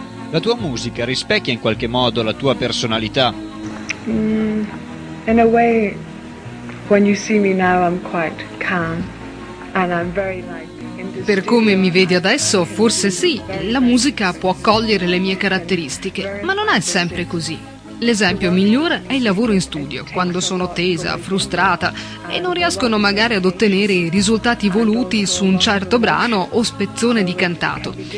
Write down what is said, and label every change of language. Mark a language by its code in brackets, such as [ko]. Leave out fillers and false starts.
[it] La tua musica rispecchia in qualche modo la tua personalità? [en] In a way, when you see me now, I'm quite calm and I'm very like. [it] Per come mi vedi adesso, forse sì, la musica può cogliere le mie caratteristiche, ma non è sempre così. L'esempio migliore è il lavoro in studio, quando sono tesa, frustrata e non riescono magari ad ottenere i risultati voluti su un certo brano o spezzone di cantato.